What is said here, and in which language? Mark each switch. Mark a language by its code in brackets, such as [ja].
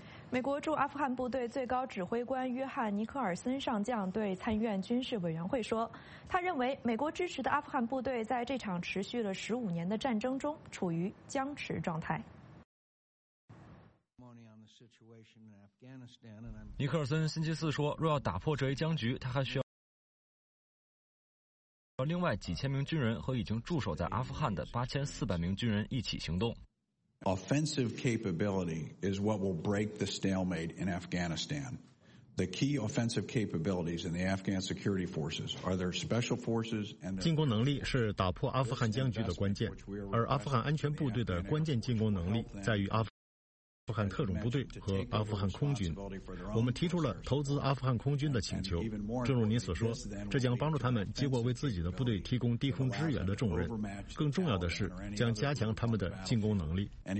[zh] 美国驻阿富汗部队最高指挥官约翰·尼克尔森上将对参议院军事委员会说，他认为美国支持的阿富汗部队在这场持续了15年的战争中处于僵持状态。尼克尔森星期四说，若要打破这一僵局，他还需要另外几千名军人和已经驻守在阿富汗的8400名军人一起行动。 [en] Offensive capability is what will break the stalemate in Afghanistan. The key offensive capabilities in the Afghan security forces are their special forces and. [zh] 进攻能力是打破阿富汗僵局的关键，而阿富汗安全部队的关键进攻能力在于阿富汗特种部队和阿富汗空军。我们提出了投资阿富汗空军的请求，正如您所说，这将帮助他们接过为自己的部队提供低空支援的重任，更重要的是将加强他们的进攻能力。